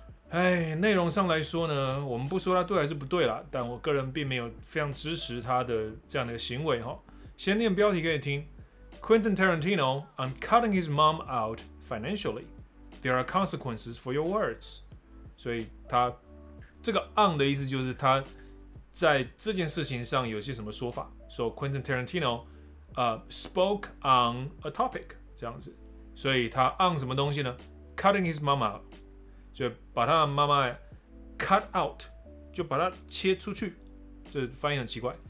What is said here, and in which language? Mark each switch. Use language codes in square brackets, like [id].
[zh] 哎，内容上来说呢，我们不说他对还是不对啦，但我个人并没有非常支持他的这样的行为哈。先念标题给你听 [en] ：Quentin Tarantino, I'm cutting his mom out financially. There are consequences for your words. [zh] 所以他这个 on 的意思就是他在这件事情上有些什么说法。说、 [en] so、Quentin Tarantino, spoke on a topic [zh] 这样子，所以他 on 什么东西呢 ？ [en] Cutting his mom out， [zh] 就把他妈妈 cut out， 就把他切出去。这翻译很奇怪。